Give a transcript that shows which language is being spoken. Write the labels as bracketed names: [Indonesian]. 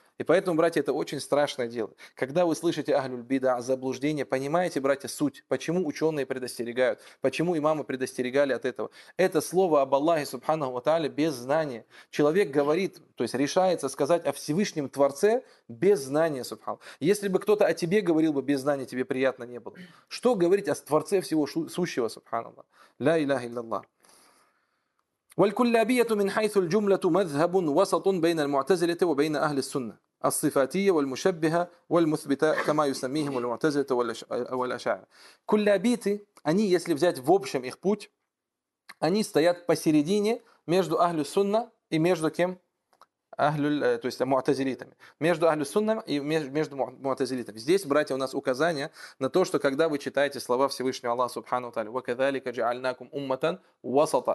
[Russian] И поэтому, братья, это очень страшное дело. Когда вы слышите ахлюль бида, заблуждение, понимаете, братья, суть, почему ученые предостерегают, почему имамы предостерегали от этого. Это слово об Аллахе, субханаху ва тааля, без знания. Человек говорит, то есть решается сказать о Всевышнем Творце без знания, субханаху. Если бы кто-то о тебе говорил бы без знания, тебе приятно не было. Что говорить о Творце всего сущего, субханаху? [Arabic] Ля иляха илляллах. والكلابية من حيث الجملة مذهب وسط بين المعتزلة وبين أهل السنة الصفاتية والمشبهة والمثبتة كما يسميهم المعتزلة والأشاعرة. [Russian] كلابيتي, они, если взять в общем их путь, они стоят посередине между أهل السنة и между кем? أهل, то есть муатазилитами. Между Ахлю Сунна и между муатазилитами. Здесь, братья, у нас указание на то, что когда вы читаете слова Всевышнего Аллаха Субхану Ва Тааля, [Arabic] وَكَذَلِكَ جَعَلْنَاكُمْ أُمَّةً وَسَطًا.